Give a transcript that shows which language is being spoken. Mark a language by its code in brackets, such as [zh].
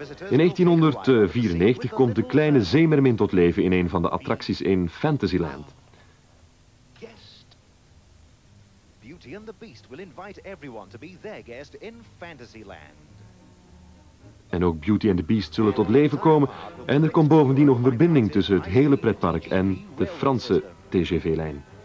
[nl] In 1994 komt de kleine zeemermin tot leven in een van de attracties in Fantasyland. [en] Beauty and the Beast will invite everyone to be their guest in Fantasyland. [nl] En ook Beauty and the Beast zullen tot leven komen en er komt bovendien nog een verbinding tussen het hele pretpark en de Franse TGV-lijn.